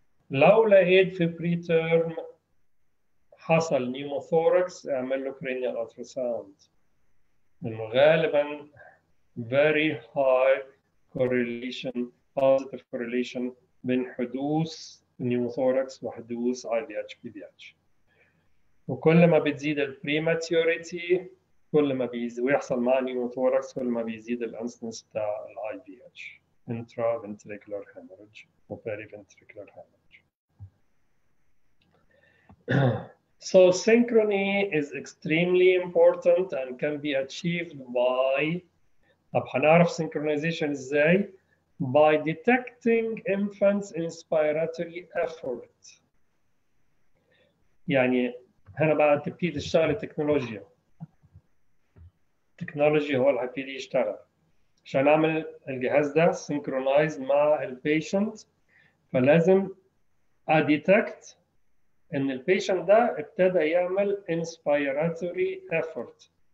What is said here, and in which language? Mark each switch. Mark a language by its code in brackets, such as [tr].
[ar] لو لقيت في بريتيرن حصل نيموثوركس اعمل له كرينيال التراساوند، غالبا [en] very high correlation, positive correlation [ar] بين حدوث نيموثوركس وحدوث IVH-PVH. وكل ما بتزيد الprematurity كل ما بيزيد ويحصل مع نيموثوركس كل ما بيزيد الانسنس بتاع IVH intraventricular hemorrhage و periventricular hemorrhage. [en] So synchrony is extremely important and can be achieved by [ar] طب هنعرف [en] synchronization [ar] ازاي؟ [en] by detecting infant's inspiratory effort. [ar] يعني هنا بقى تبتيد الشغل التكنولوجيا. التكنولوجيا هو اللي هبتدي يشتغل. عشان نعمل الجهاز ده synchronize مع البيشنت فلازم أديتكت ان البيشنت ده ابتدى يعمل inspiratory effort.